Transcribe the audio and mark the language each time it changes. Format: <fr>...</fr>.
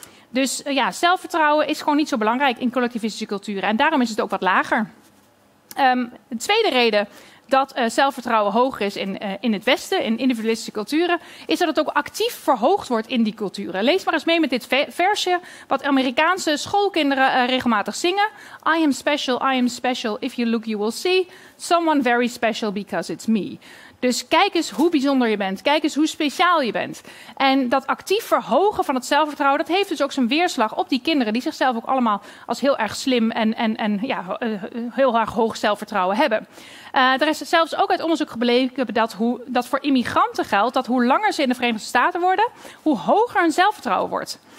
<nl>Dus ja, zelfvertrouwen is gewoon niet zo belangrijk in collectivistische culturen. En daarom is het ook wat lager. De tweede reden dat zelfvertrouwen hoog is in het Westen, in individualistische culturen, is dat het ook actief verhoogd wordt in die culturen. Lees maar eens mee met dit versje wat Amerikaanse schoolkinderen regelmatig zingen.</nl> <en>I am special, if you look you will see. Someone very special because it's me.</en> <nl>Dus kijk eens hoe bijzonder je bent. Kijk eens hoe speciaal je bent. En dat actief verhogen van het zelfvertrouwen, dat heeft dus ook zijn weerslag op die kinderen die zichzelf ook allemaal als heel erg slim en ja, heel erg hoog zelfvertrouwen hebben. Er is zelfs ook uit onderzoek gebleken dat voor immigranten geldt dat hoe langer ze in de Verenigde Staten worden, hoe hoger hun zelfvertrouwen wordt.</nl>